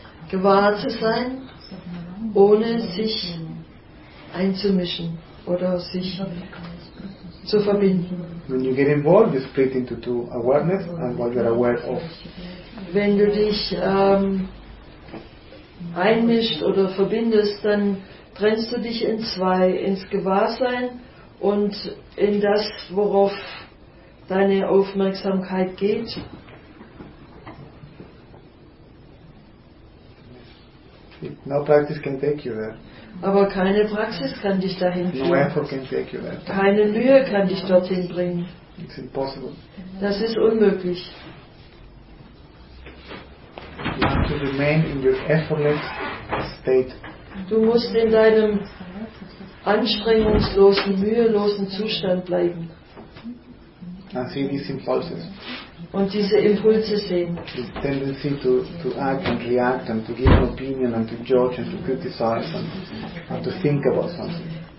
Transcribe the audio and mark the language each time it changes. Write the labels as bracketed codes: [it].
[de] Gewahr zu sein, ohne sich einzumischen oder sich zu verbinden. [en] When you get involved, you split into two: awareness and what you're aware of. [de] Wenn du dich einmischst oder verbindest, dann trennst du dich in zwei: ins Gewahrsein und in das, worauf deine Aufmerksamkeit geht. [en] No practice can take you there. [de] Aber keine Praxis kann dich dahin führen. [en] No effort can take you there. [de] Keine Mühe kann dich dorthin bringen. [en] It's impossible. [de] Das ist unmöglich. [en] You have to remain in your effortless state. [de] Du musst in deinem anstrengungslosen, mühelosen Zustand bleiben. [en] And see these impulses. [de] Und diese Impulse sehen. [en] The tendency to act and react and to give an opinion and to judge and to criticize and to think about something.